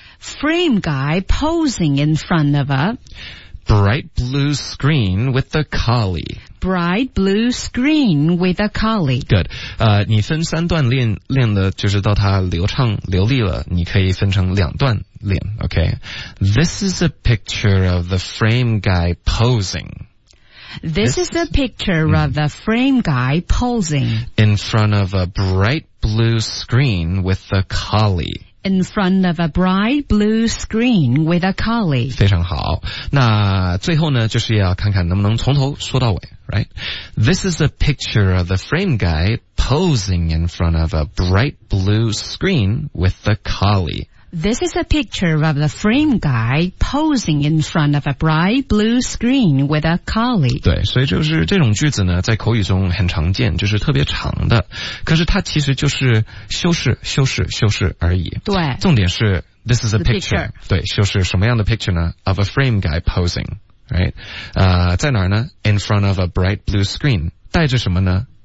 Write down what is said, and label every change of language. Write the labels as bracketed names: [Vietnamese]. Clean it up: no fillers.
[English] Frame guy posing in front of a. bright blue screen with a collie. Bright blue screen with a collie. Good. [Chinese] 你分三段练，练了就是到它流畅流利了，你可以分成两段练。 [English] Okay. This is a picture of the frame guy posing. This is a picture of the frame guy posing. In front of a bright blue screen with a collie. In front of a bright blue screen with a collie. [Chinese] 非常好。那最后呢，就是要看看能不能从头说到尾， [English] right? This is a picture of the frame guy posing in front of a bright blue screen with a collie. This is a picture of the frame guy posing in front of a bright blue screen with a collie. [Chinese] 对，所以就是这种句子呢，在口语中很常见，就是特别长的。可是它其实就是修饰、修饰、修饰而已。对，重点是 [English] this is a picture. [Chinese] 对，修饰什么样的 picture 呢 [English] ？Of a frame guy posing, right? [Chinese] 在哪儿呢 ？ [English] In front of a bright blue screen. [Chinese] 带着什么呢？